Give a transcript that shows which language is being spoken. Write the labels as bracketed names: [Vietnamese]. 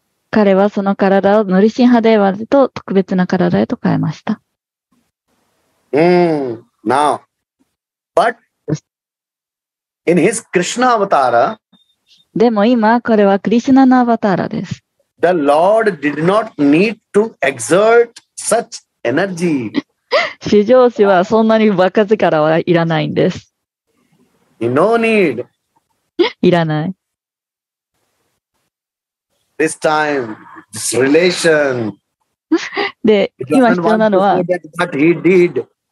[Japanese] 彼はその体をナルシンハデーヴァと特別な体へと変えました。 [English] Now, but in his Krishna avatar, [Japanese] でも今これはクリシュナのアバターです。 [English] The Lord did not need to exert such energy. [Japanese] 修行士はそんなに若力はいらないんです。 [English] No need. [Japanese] いらない。 [English] This time, this relation. [Japanese] で、今必要なのは。 [English] But he did.